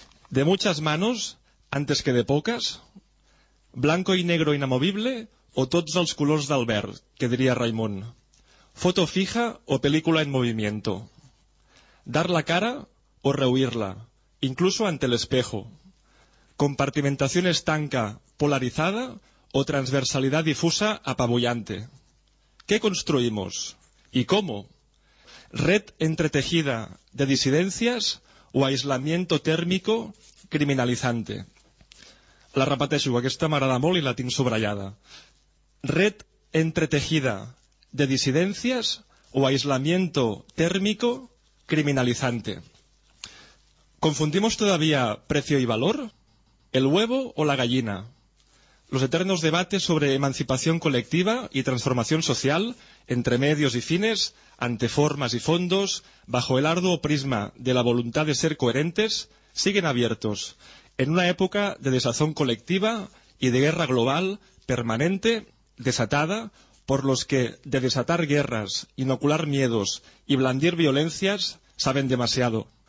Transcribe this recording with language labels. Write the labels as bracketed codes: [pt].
[es] De muchas manos antes que de pocas? Blanco y negro inamovible o [ca] tots els colors del verd, que diria Raimon? [es] Foto fija o película en movimiento? Dar la cara o rehuirla, incluso ante el espejo? Compartimentación estanca, polarizada o transversalidad difusa, apabullante? ¿Qué construimos? ¿Y cómo? ¿Red entretejida de disidencias o aislamiento térmico criminalizante? [ca] La repeteixo, aquesta m'agrada molt i la tinc subratllada. [es] Red entretejida de disidencias o aislamiento térmico criminalizante. ¿Confundimos todavía precio y valor? ¿El huevo o la gallina? Los eternos debates sobre emancipación colectiva y transformación social entre medios y fines, ante formas y fondos, bajo el arduo prisma de la voluntad de ser coherentes, siguen abiertos en una época de desazón colectiva y de guerra global permanente, desatada, por los que de desatar guerras, inocular miedos y blandir violencias saben demasiado.